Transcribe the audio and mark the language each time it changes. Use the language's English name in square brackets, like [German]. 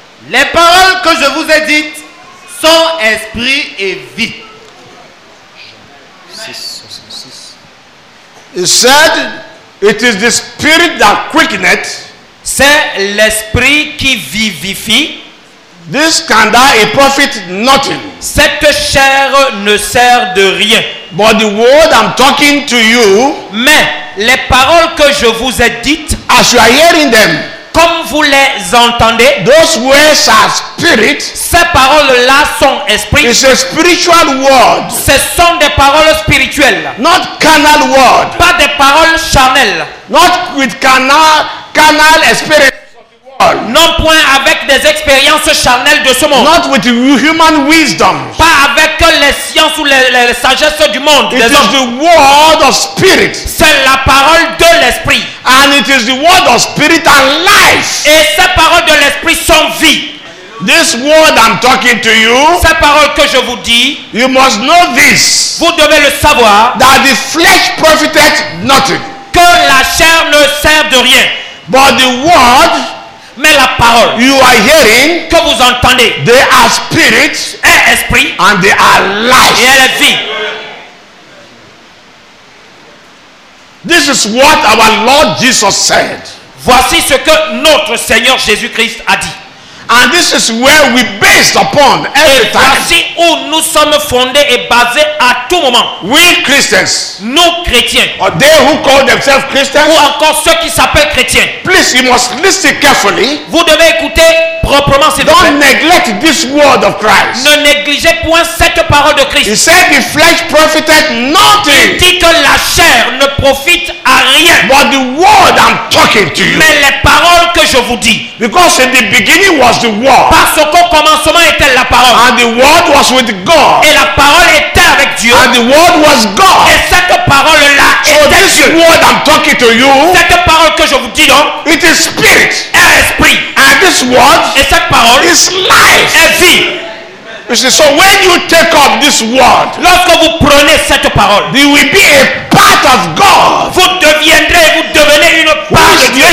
[French] Les paroles que je vous ai dites sont esprit et vie. [English] He said, it is the spirit that quickeneth. [French] C'est l'esprit qui vivifie. [English] This candor, it profit nothing. [French] Cette chair ne sert de rien. [English] But the word I'm talking to you, [French] mais les paroles que je vous ai dites, [English] as you are hearing them, [French] comme vous les entendez, [English] those words are spirit. [French] Ces paroles-là sont esprit. [English] It's a spiritual word. [French] Ce sont des paroles spirituelles. [English] Not carnal word. [French] Pas des paroles charnelles. [English] Not with carnal spirit. [French] Non point avec des expériences charnelles de ce monde. [English] Not with human wisdom. [French] Pas avec les sciences ou les sagesses du monde. [English] It is the word of spirit. [French] C'est la parole de l'esprit. [English] And it is the word of spirit and life. [French] Et ces paroles de l'esprit sont vie. [English] This word I'm talking to you. [French] Ces paroles que je vous dis. [English] You must know this. [French] Vous devez le savoir. [English] That the flesh profiteth nothing. [French] Que la chair ne sert de rien. [English] But the word. [French] Mais la parole [English] you are hearing, [French] que vous entendez, [English] they are spirit, [French] est esprit, [English] and they are life. [French] Et elle est vie. [English] This is what our Lord Jesus said. [French] Voici ce que notre Seigneur Jésus-Christ a dit. [English] And this is where we based upon every [French] et voici [English] time. [French] Où nous sommes fondés et basés à tout moment. [English] We Christians, [French] nous chrétiens, [English] or they who call themselves Christians, [French] ou encore ceux qui s'appellent chrétiens. [English] Please, you must listen carefully. [French] Vous devez écouter proprement ces [English] paroles. Don't neglect this word of Christ. [French] Ne négligez point cette parole de Christ. [English] He said the flesh profited nothing. [French] Il dit que la chair ne profite à rien. [English] But the word I'm talking to you. [French] Mais les paroles que je vous dis. [English] Because in the beginning was the word. [French] Parce qu'au commencement était la parole. [English] And the word was with God. [French] Et la parole était avec Dieu. [English] And the word was God. [French] Et cette parole là [English] so [French] était [English] this [French] Dieu. [English] Word I'm talking to you. [French] Cette parole que je vous dis donc. [English] It is spirit. [French] Est esprit. [English] And this word. [French] Et cette parole [English] is life. [French] Est vie. [English] You see, so when you take up this word, [French] lorsque vous prenez cette parole, [English] you will be a part of God. [French] Vous deviendrez, vous devenez une part de Dieu.